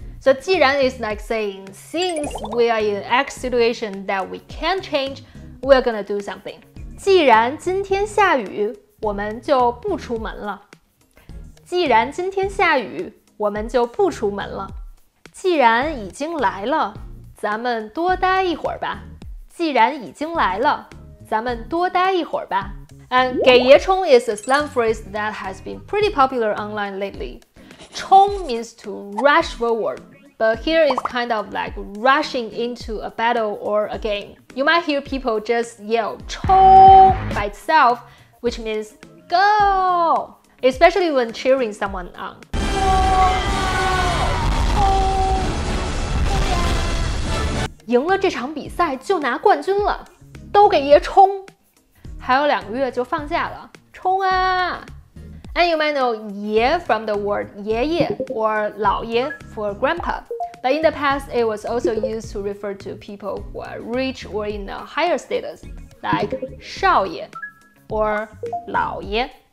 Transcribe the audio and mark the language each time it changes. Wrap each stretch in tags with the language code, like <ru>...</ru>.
<en>So 既然 is like saying, since we are in X situation that we can't change, we're gonna do something.</en> <zh>既然今天下雨, 我们就不出门了。既然今天下雨，我们就不出门了。既然已经来了，咱们多待一会儿吧。既然已经来了，咱们多待一会儿吧。</zh> <en>And 给爷冲 is a slang phrase that has been pretty popular online lately. 冲 means to rush forward, but here it's kind of like rushing into a battle or a game. You might hear people just yell 冲 by itself, which means go, especially when cheering someone on.</en> <zh>冲赢了这场比赛就拿冠军了，都给爷冲！还有两个月就放假了，冲啊！</zh> <en>And you might know 爷 from the word 爷爷 or 老爷 for grandpa, but in the past it was also used to refer to people who are rich or in a higher status, like 少爷 or 老爷。</en>